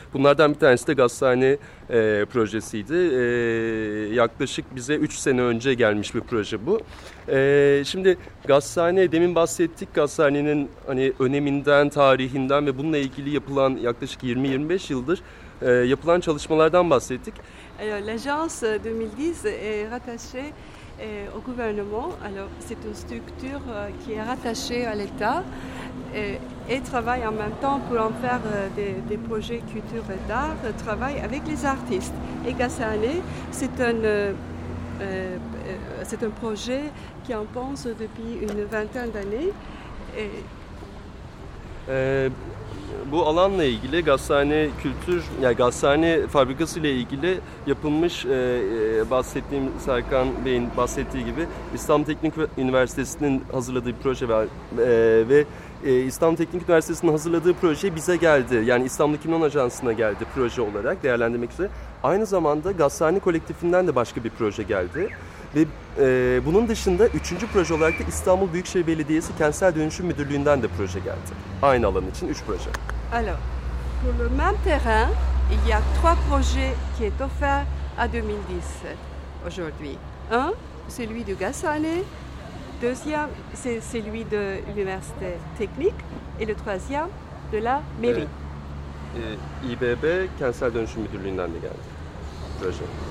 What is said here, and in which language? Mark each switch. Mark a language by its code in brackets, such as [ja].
[tr] Bunlardan bir tanesi de gazhane projesiydi. Yaklaşık bize 3 sene önce gelmiş bir proje bu. Şimdi gazhane, demin bahsettik gazhanenin hani öneminden, tarihinden ve bununla ilgili yapılan yaklaşık 20-25 yıldır yapılan çalışmalardan bahsettik. [fr] L'agence 2010 est rattachée au gouvernement. Alors, c'est une structure qui est rattachée à l'État et travaille en même temps pour en faire des projets culture et d'art, travaille avec les artistes. Et Gassane, c'est un projet qui en pense depuis une vingtaine d'années. Et... [tr] Bu alanla ilgili gazhane kültür, yani gazhane fabrikası ile ilgili yapılmış bahsettiğim Serkan Bey'in bahsettiği gibi İstanbul Teknik Üniversitesi'nin hazırladığı bir proje var ve İstanbul Teknik Üniversitesi'nin hazırladığı proje bize geldi. Yani İstanbul 2010 Ajansı'na geldi proje olarak değerlendirmek üzere. Aynı zamanda gazhane kolektifinden de başka bir proje geldi. Ve bunun dışında üçüncü proje olarak da İstanbul Büyükşehir Belediyesi Kentsel Dönüşüm Müdürlüğü'nden de proje geldi. Aynı alan için üç proje. [fr] Alors, pour le même terrain, il y a trois projets qui est offert à 2010 aujourd'hui. Un, celui de Gassane. Deuxième, c'est celui de l'Université Technique. Et le troisième, de la mairie. [tr] İBB Kentsel Dönüşüm Müdürlüğü'nden de geldi proje.